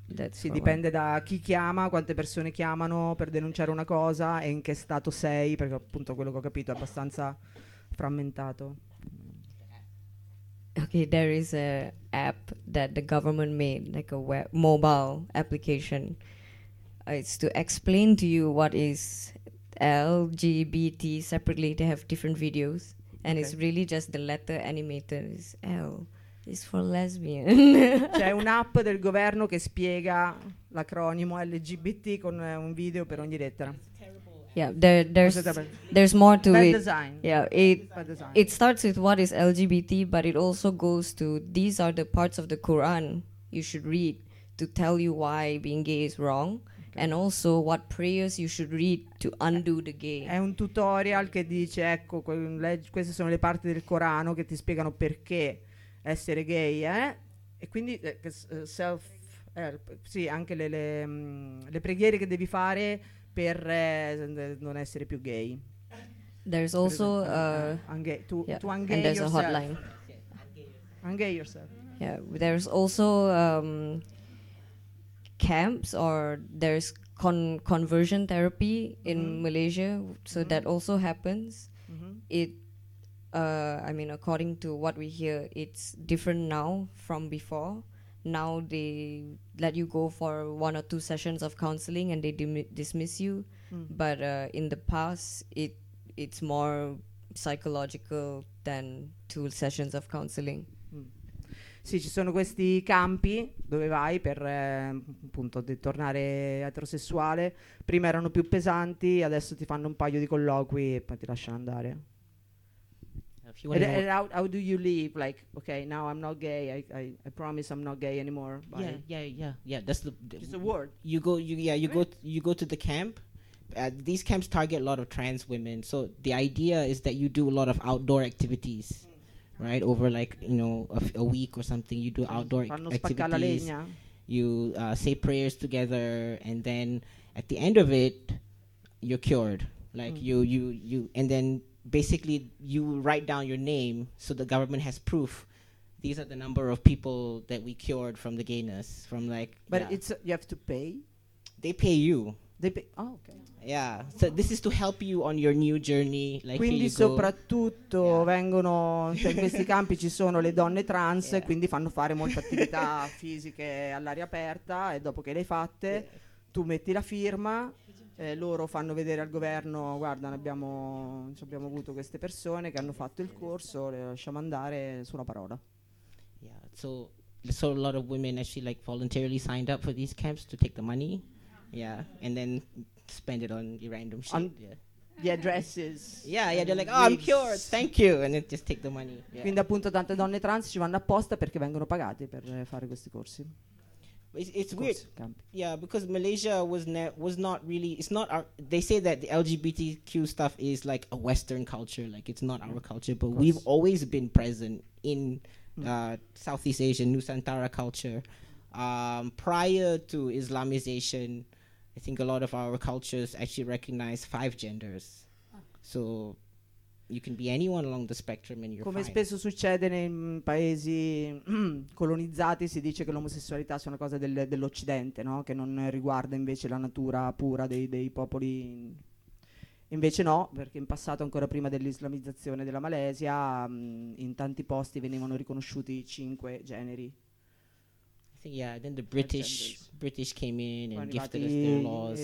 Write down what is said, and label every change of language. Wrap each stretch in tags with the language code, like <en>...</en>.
<it>Sì, dipende da chi chiama, quante persone chiamano per denunciare una cosa e in che stato sei, perché appunto quello che ho capito è abbastanza frammentato.</it> <en>Okay, there is a app that the government made, like a web mobile application. It's to explain to you what is LGBT separately. They have different videos, and okay. It's really just the letter animated. It's L is for lesbian.</en> <it>C'è un'app del governo che spiega l'acronimo LGBT con un video per ogni lettera.</it> <en>Yeah, there's more to bad it. Design. Yeah, it bad design. It starts with what is LGBT, but it also goes to these are the parts of the Quran you should read to tell you why being gay is wrong, okay. And also what prayers you should read to undo the gay.</en> <it>È un tutorial che dice ecco queste sono le parti del Corano che ti spiegano perché essere gay, e quindi self help. Sì, anche le preghiere che devi fare per non essere più gay.</it> <en>There's also to ungay yourself. And there's yourself. A hotline. Ungay yourself. Yeah, there's also camps or there's conversion therapy in Malaysia, so that also happens. Mm-hmm. According to what we hear, it's different now from before. Now they let you go for one or two sessions of counseling and they dismiss you. Mm. But in the past, it's more psychological than two sessions of counseling. Mm.</en> <it>Sì, ci sono questi campi dove vai per appunto di tornare eterosessuale. Prima erano più pesanti, adesso ti fanno un paio di colloqui e poi ti lasciano andare.</it> <en>How do you leave? Like, okay, now I'm not gay. I promise I'm not gay anymore. Bye. Yeah. That's just a word. You go to the camp. These camps target a lot of trans women. So the idea is that you do a lot of outdoor activities, right? Over like you know a week or something, you do outdoor activities.</en> <it>La legna.</it> <en>You say prayers together, and then at the end of it, you're cured. Like you, and then. Basically, you write down your name so the government has proof. These are the number of people that we cured from the gayness. You have to pay? They pay you. They pay. Oh, okay. Yeah. So this is to help you on your new journey. Like</en> <it>quindi soprattutto vengono cioè in questi campi ci sono le donne trans e quindi fanno fare molte attività fisiche all'aria aperta e dopo che le hai fatte tu metti la firma. loro fanno vedere al governo, guarda, abbiamo avuto queste persone che hanno fatto il corso, le lasciamo andare sulla parola.</it> <en>Yeah, so a lot of women actually like voluntarily signed up for these camps to take the money, yeah, and then spend it on random shit. The addresses. Yeah, yeah, they're like, oh, I'm cured, thank you, and then just take the money. Yeah.</en> <it>Quindi appunto tante donne trans ci vanno apposta perché vengono pagate per fare questi corsi.</it> <en>It's weird. Camp. Yeah, because Malaysia was not really. It's not our. They say that the LGBTQ stuff is like a Western culture. Like it's not our culture, but we've always been present in Southeast Asia, Nusantara culture. Prior to Islamization, I think a lot of our cultures actually recognize 5 genders. So you can be anyone along the spectrum and you're come fine.</en> <it>Spesso succede nei paesi colonizzati, si dice che l'omosessualità sia una cosa dell'Occidente, no? Che non riguarda invece la natura pura dei popoli. Invece no, perché in passato, ancora prima dell'islamizzazione della Malesia, in tanti posti venivano riconosciuti 5 generi.</it> <en>I think, yeah, then the British came in and gifted us their laws.</en>